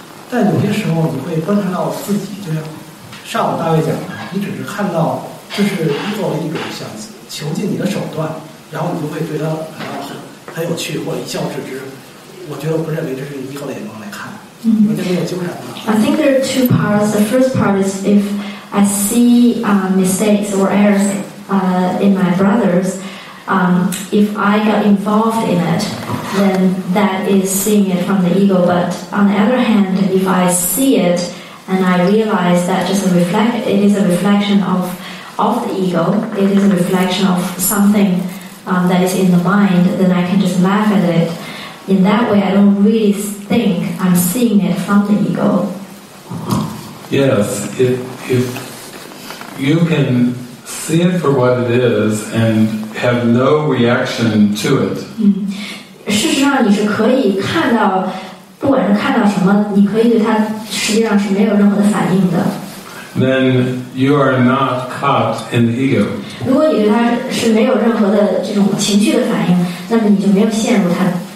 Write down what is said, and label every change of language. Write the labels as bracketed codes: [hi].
[zh] 但有些时候，你会观察到自己，就像上午大卫讲的，你只是看到这是肌肉的一种想囚禁你的手段，然后你就会对他感到很有趣或一笑置之。我觉得我不认为这是肌肉的眼光来看。 [en] I think there are two parts. The first part is if I see mistakes or errors in my brothers, if I got involved in it, then that is seeing it from the ego. But on the other hand, if I see it and I realize that it is a reflection of the ego, it is a reflection of something that is in the mind, then I can just laugh at it. In that way, I don't really think I'm seeing it from the ego. Yes, if you can see it for what it is and have no reaction to it. [zh] 事实上你是可以看到，不管是看到什么，你可以对它实际上是没有任何的反应的。 [en] Then you are not caught in the ego. [zh] 如果你对它是没有任何的这种情绪的反应，那么你就没有陷入它。